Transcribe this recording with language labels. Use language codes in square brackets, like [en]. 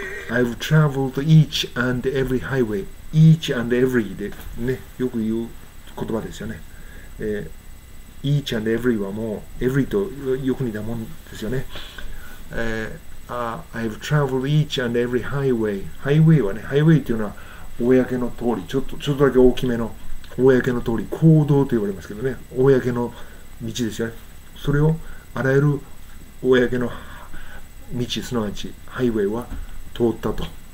[en] I've traveled each and every highway. Each and every [ja] で、ね、よく言う言葉ですよね。 [en] Each and every [ja] はもう、every とよく似たもんですよね。 [en] I've traveled each and every highway. [ja] Highway はね、highway というのは公の通り、ちょっとだけ大きめの公の通り、公道と言われますけどね、公の道ですよね。それをあらゆる公の道、すなわち highway は通ったと。